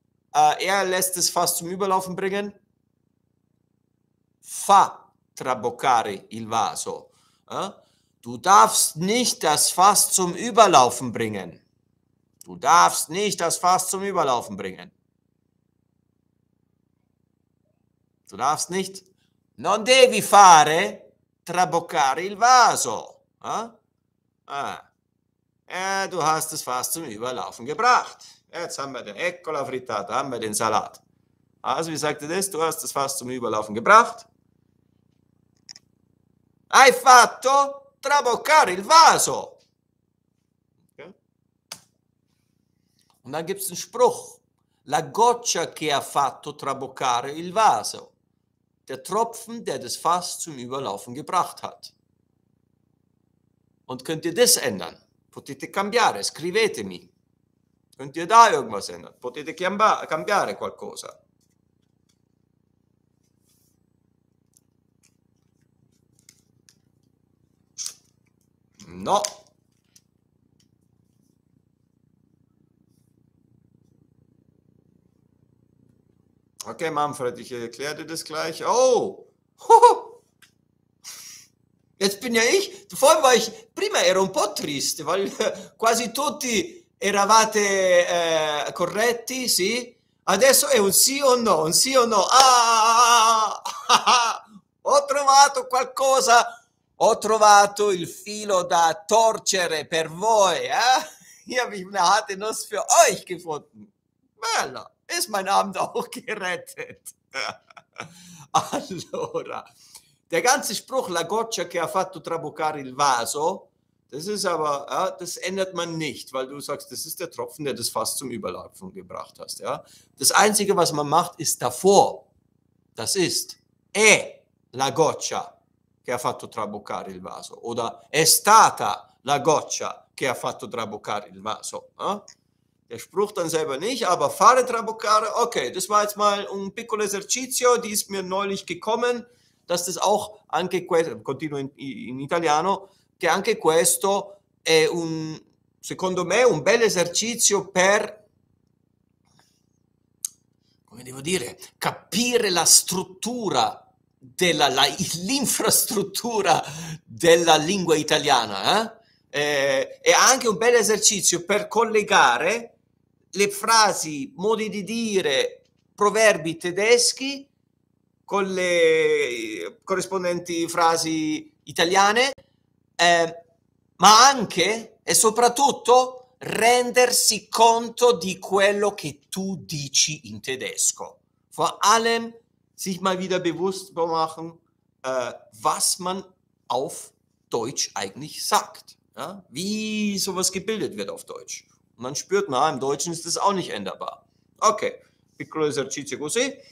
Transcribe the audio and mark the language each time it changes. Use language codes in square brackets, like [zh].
[de] Er lässt das Fass zum Überlaufen bringen. [it] Fa traboccare il vaso. [de] Du darfst nicht das Fass zum Überlaufen bringen. Du darfst nicht das Fass zum Überlaufen bringen. Du darfst nicht. [it] Non devi fare traboccare il vaso. [de] Du hast das Fass zum Überlaufen gebracht. Jetzt haben wir den [it] Ecco la frittata, [de] haben wir den Salat. Also, wie sagt ihr das? Du hast das Fass zum Überlaufen gebracht. [it] Hai fatto? Traboccare il vaso. [de] Und dann gibt es einen Spruch. [it] La goccia che ha fatto traboccare il vaso. [de] Der Tropfen, der das Fass zum Überlaufen gebracht hat. Und könnt ihr das ändern? [it] Potete cambiare, scrivetemi. [de] Könnt ihr da irgendwas ändern? [it] Potete cambiare qualcosa? No. [de] Okay, Manfred, ich erkläre dir das gleich. Oh! Jetzt bin ja ich. Vorhin war ich, [it] prima ero un po' triste, weil quasi tutti eravate corretti, sì? Adesso è un sì o no, un sì o no. Ah! Ho trovato qualcosa. Ho trovato il filo da torcere per voi, eh? Io ho una [de] harte Nuss für euch gefunden. Bello, ist mein Abend auch gerettet. Allora, der ganze Spruch, [it] la goccia che ha fatto traboccare il vaso, [de] das ist aber, ja, das ändert man nicht, weil du sagst, das ist der Tropfen, der das Fass zum Überlaufen gebracht hast. Ja? Das Einzige, was man macht, ist davor. Das ist, la goccia. [it] Ha fatto traboccare il vaso, oder è stata la goccia che ha fatto traboccare il vaso. [de] Der Spruch dann selber nicht, aber [it] fare traboccare. [de] Okay, das war jetzt mal [it] un piccolo esercizio, [de] die ist mir neulich gekommen, dass das auch [it] anche questo, continuo in italiano, che anche questo è un, secondo me, un bel esercizio per, come devo dire, capire la struttura. L'infrastruttura della lingua italiana, eh? È anche un bel esercizio per collegare le frasi, modi di dire, proverbi tedeschi con le corrispondenti frasi italiane, ma anche e soprattutto rendersi conto di quello che tu dici in tedesco. [de] Vor allem sich mal wieder bewusst machen, was man auf Deutsch eigentlich sagt. Ja? Wie sowas gebildet wird auf Deutsch. Man spürt, na, im Deutschen ist das auch nicht änderbar. [it] Okay, piccolo esercizio così.